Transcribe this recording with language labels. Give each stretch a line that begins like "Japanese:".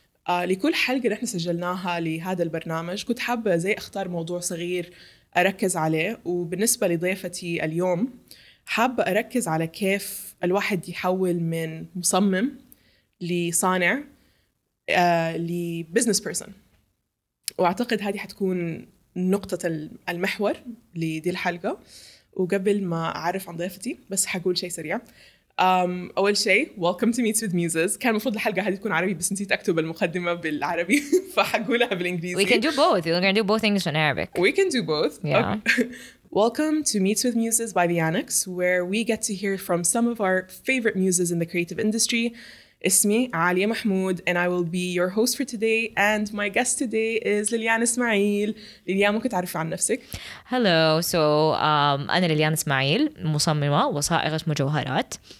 Arabic: لكل حلقة رح نسجلناها لهذا البرنامج كنت حابة زي أختار موضوع صغير أركز عليه وبالنسبة لضيفتي اليوم حابة أركز على كيف الواحد يحول من مصمم لصانع لبزنس بيرسون وأعتقد هذه حتكون نقطة المحور لدي الحلقة وقبل ما أعرف عن ضيفتي بس حقول شيء سريع أول شيء
English: welcome to Meets with Muses.
Arabic: كان مفروض الحلقة هذه تكون عربي بس نسيت أكتب المقدمة بالعربي فحقولها بالإنجليزي.
English: We can do both. We're gonna do both English and Arabic. We can do both. Yeah. Okay. Welcome to Meets with Muses by The Annex, where we get to hear from some of our favorite muses in the creative industry.
Arabic: اسمي عالية محمود
English: and I will be your host for today and my guest today is Lillian Ismail.
Arabic: Lillian, ممكن تعرف عن نفسك؟
English: Hello, so
Arabic: أنا Lillian Ismail, مصممة وصائغة مجوهرات.